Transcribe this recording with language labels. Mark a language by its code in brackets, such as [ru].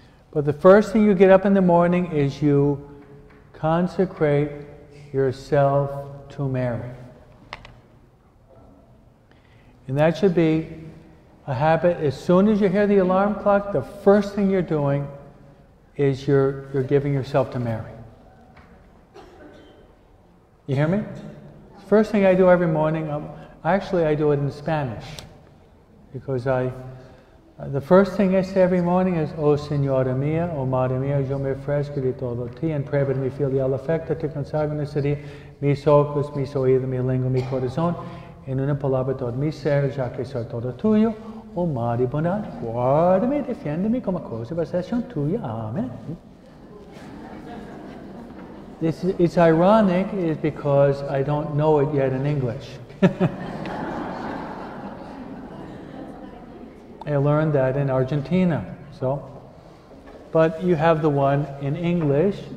[en] But the first thing you get up in the morning is you consecrate yourself to Mary. And that should be a habit. As soon as you hear the alarm clock, the first thing you're doing is you're giving yourself to Mary. You hear me? First thing I do every morning, I do it in Spanish, because the first thing I say every morning is, [es] O Señora mía, O Madre mía, yo me ofrezco de todo ti, en prueba de mi filial afecto, te consagro en este día, mis ojos, mis oídos, mi lengua, mi corazón, en una palabra todo mi ser, ya que soy todo tuyo, O Madre bondad, guárdame, defiéndeme como cosa de posesión tuya, amén. [en] It's ironic is because I don't know it yet in English. I learned that in Argentina. So, but you have the one in English.